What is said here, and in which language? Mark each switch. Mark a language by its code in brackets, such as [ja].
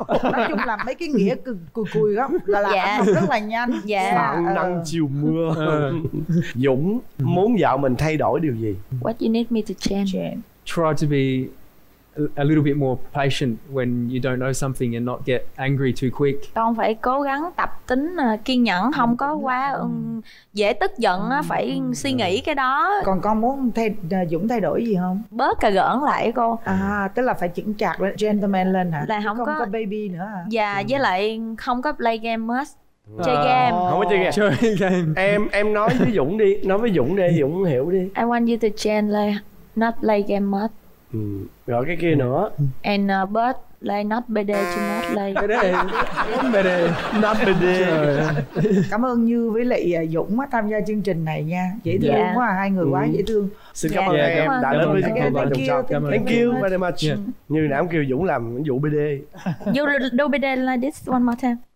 [vi] Nói chung là mấy cái nghĩa cùi gốc là học rất là nhanh. Sáng nắng chiều mưa. Dũng muốn vợ mình thay đổi điều gì? [en] What you need me to change? Try to be a little bit more patient when you don't know something and not get angry too quick. [vi] Con phải cố gắng tập tính kiên nhẫn, không có quá dễ tức giận, phải suy nghĩ cái đó. Còn con muốn Dũng thay đổi gì không? Bớt cà gỡn lại cô. Tức là phải chững chạc lên, gentleman lên hả? Là không có baby nữa. Dạ, với lại không có [en] play game much. [vi] Chơi game. Không có chơi game. Chơi game. Em nói với Dũng đi, Dũng hiểu đi. [en] I want you to change like not play game much. [vi] Rồi cái kia nữa. [en] And but like not bd to not like. Bd not bd. [vi] Cảm ơn Như với lại Dũng á tham gia chương trình này nha. Dễ thương quá, hai người quá dễ thương. Xin cảm ơn em đã đến với chương trình vợ chồng son. [en] Thank you very much. [vi] Như nãy em kêu Dũng làm vụ bd. [en] You do bd like this one more time.